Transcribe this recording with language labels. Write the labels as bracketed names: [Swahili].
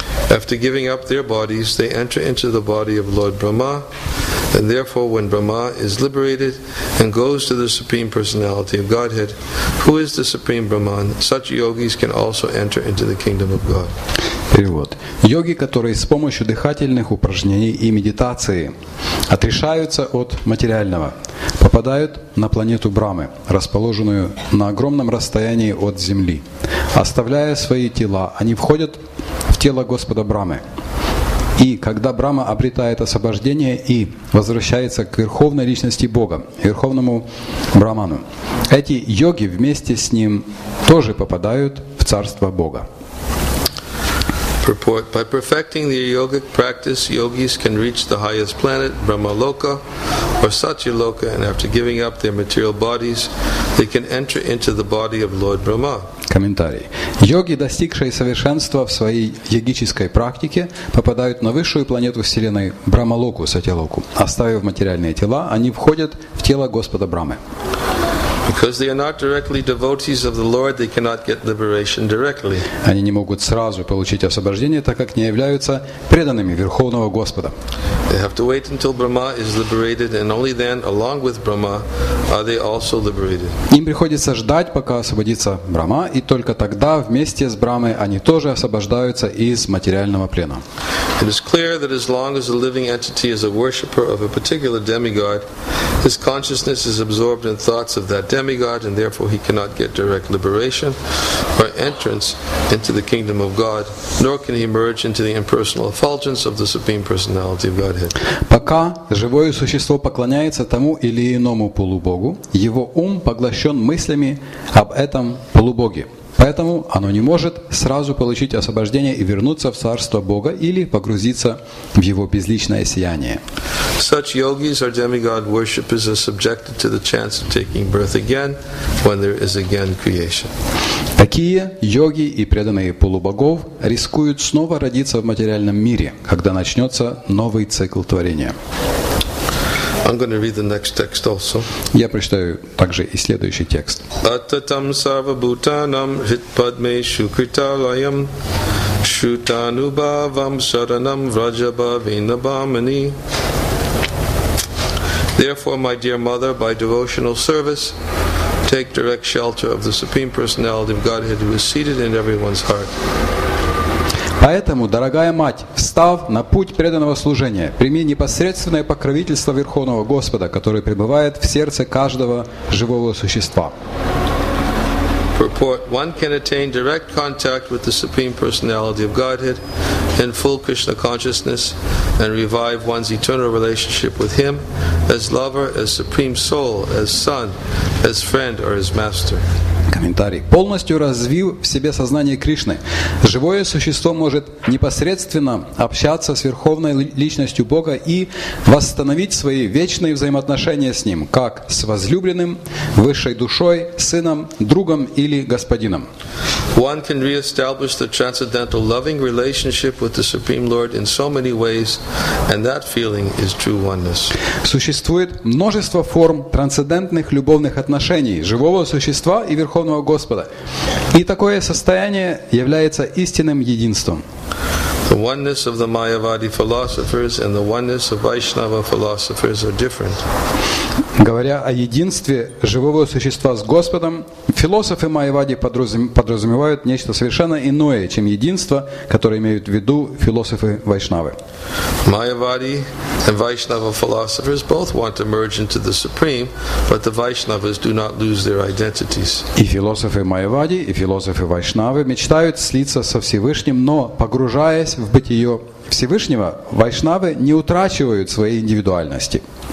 [English] After giving up their bodies, they enter into the body of Lord Brahma, and therefore when Brahma is liberated and goes to the Supreme Personality of Godhead, who is the Supreme Brahman, such yogis can also enter into the kingdom of God. [Russian] Перевод. Йоги, которые с помощью дыхательных упражнений и медитации отрешаются от материального, попадают на планету Брамы, расположенную на огромном расстоянии от Земли. Оставляя свои тела, они входят в тело Господа Брамы. И когда Брама обретает освобождение и возвращается к Верховной Личности Бога, Верховному Браману, эти йоги вместе с ним тоже попадают в Царство Бога. [English] Purport. By perfecting the yogic practice, yogis can reach the highest planet, Brahmaloka, or Satyaloka, and after giving up their material bodies, they can enter into the body of Lord Brahma. [Russian] Комментарий. Йоги, достигшие совершенства в своей йогической практике, попадают на высшую планету Вселенной, Брахмалоку, Сатьялоку. Оставив материальные тела, они входят в тело Господа Брамы. [English] Because they are not directly devotees of the Lord, they cannot get liberation directly. [Russian] Они не могут сразу получить освобождение, так как не являются преданными Верховного Господа. [English] They have to wait until Brahma is liberated, and only then, along with Brahma, are they also liberated. [Russian] Им приходится ждать, пока освободится Брахма, и только тогда вместе с Брахмой они тоже освобождаются из материального плена. [English] It is clear that as long as a living entity is a worshipper of a particular demigod, his consciousness is absorbed in thoughts of that demigod, and therefore he cannot get direct liberation or entrance into the kingdom of God, nor can he merge into the impersonal effulgence of the Supreme Personality of Godhead. [Russian] Пока живое существо поклоняется тому или иному полубогу, его ум поглощен мыслями об этом полубоге. Поэтому оно не может сразу получить освобождение и вернуться в царство Бога или погрузиться в его безличное сияние. [English] Such yogis or demigod worshippers are subjected to the chance of taking birth again when there is again creation. [Russian] Такие йоги и преданные полубогов рискуют снова родиться в материальном мире, когда начнется новый цикл творения. [English] I'm going to read the next text also. [Russian] Я прочитаю также и следующий текст. [Sanskrit] Ататам сарвабутанам хитпадме шукриталаям шутанубавам шаранам враджабавинабамани. [English] Therefore, my dear mother, by devotional service, take direct shelter of the Supreme Personality of Godhead who is seated in everyone's heart. [Russian] Поэтому, дорогая мать, встав на путь преданного служения, прими непосредственное покровительство Верховного Господа, который пребывает в сердце каждого живого существа. [English] Purport. One can attain direct contact with the Supreme Personality of Godhead in full Krishna consciousness and revive one's eternal relationship with Him as lover, as Supreme Soul, as son, as friend or as master. [Russian] Комментарий. Полностью развив в себе сознание Кришны, живое существо может непосредственно общаться с Верховной Личностью Бога и восстановить свои вечные взаимоотношения с Ним, как с возлюбленным, высшей душой, сыном, другом или господином. [English] One can re-establish the transcendental loving relationship with the Supreme Lord in so many ways, and that feeling is true oneness. [Russian] Существует множество форм трансцендентных любовных отношений живого существа и Верховного Господа, и такое состояние является истинным единством. [English] The oneness of the Mayavadi philosophers and the oneness of Vaishnava philosophers are different. [Russian] Говоря о единстве живого существа с Господом, философы Майявади подразумевают нечто совершенно иное, чем единство, которое имеют в виду философы Вайшнавы. [English] Майявади and Vaishnava philosophers both want to merge into the Supreme, but the Vaishnavas do not lose their identities. [Russian] И философы Майявади, и философы Вайшнавы мечтают слиться со Всевышним, но погружаясь в бытие Всевышнего, Вайшнавы не утрачивают своей индивидуальности.